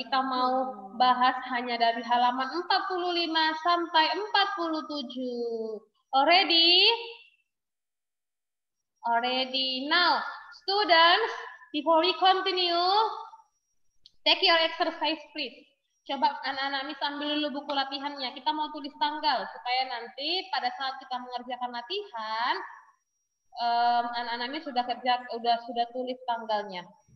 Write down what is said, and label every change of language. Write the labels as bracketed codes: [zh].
[id] Kita mau bahas hanya dari halaman 45 sampai 47. [en] Already? Already. Now, students, before we continue, take your exercise, please. [id] Coba anak-anak ini sambil dulu buku latihannya. Kita mau tulis tanggal supaya nanti pada saat kita mengerjakan latihan, anak-anak ini sudah kerja, sudah tulis tanggalnya.